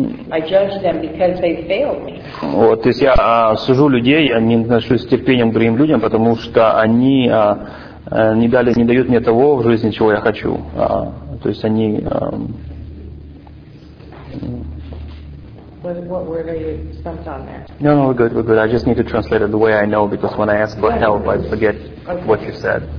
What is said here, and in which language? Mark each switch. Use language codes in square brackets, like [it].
[en] I judge them because they failed me. [ru] Вот, то есть я сужу людей, я не отношусь с терпением к другим людям, потому что они не дают мне того в жизни, чего я хочу. То есть они. [en] What word are you stumped on there? No, we're good. I just need to translate it the way I know, because when I ask for help, I forget what you said.